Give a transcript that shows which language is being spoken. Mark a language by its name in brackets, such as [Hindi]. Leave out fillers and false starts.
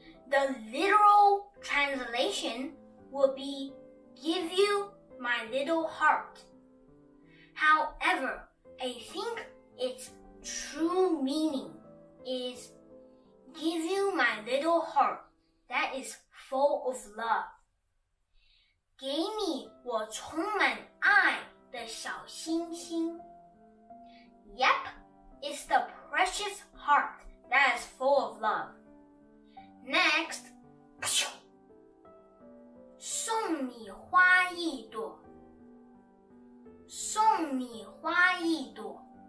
[English] The literal translation will be give you my little heart. However, I think its true meaning is give you my little heart that is full of love. [Chinese] 给你我充满爱的小星星。 [English] Yep, it's the precious heart that is full of love. [Chinese] Next, 送你花一朵。送你花一朵。